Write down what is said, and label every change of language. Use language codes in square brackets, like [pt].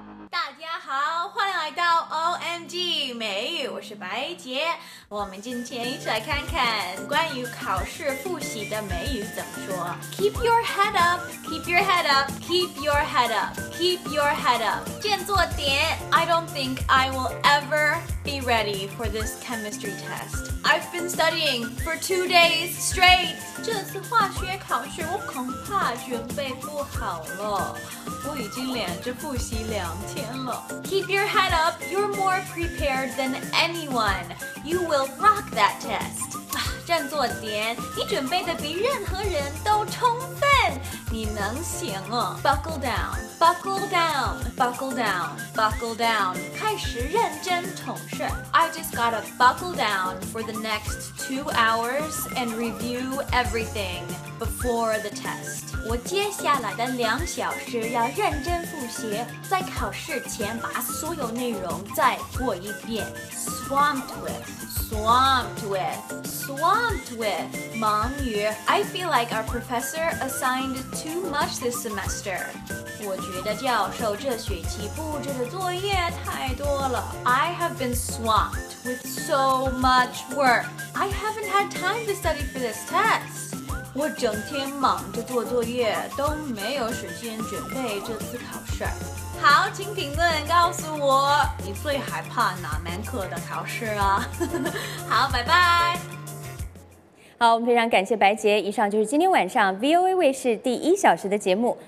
[zh] 大家好，欢迎来到 OMG 美语，我是白杰。我们今天一起来看看关于考试复习的美语怎么说。 [en] Keep your head up, keep your head up, keep your head up, keep your head up. [zh] 振作点。 [en] I don't think I will ever be ready for this chemistry test. I've been studying for 2 days straight. [zh] 这次化学考试我恐怕准备不好了。我已经连着复习2天了。 [en] Keep your head up, you're more prepared than anyone. You will rock that test. [zh] 振作点，你准备的比任何人都充分，你能行哦。 [en] Buckle down, buckle down, buckle down, buckle down. [zh] 开始认真统事。 [en] I just gotta buckle down for the next 2 hours and review everything before the test. [zh] 我接下来的2小时要认真复习，在考试前把所有内容再过一遍。 [en] Swamped with, swamped with, swamped with, [zh] 忙于。 [en] I feel like our professor assigned too much this semester. [zh] 我觉得教授这学期布置的作业太多了。 [en] I have been swamped with so much work. I haven't had time to study for this test. [zh] 我整天忙着做作业，都没有时间准备这次考试。好，请评论告诉我，你最害怕哪门课的考试啊？好，拜拜。好，我们非常感谢白杰。以上就是今天晚上 VOA 卫视第一小时的节目。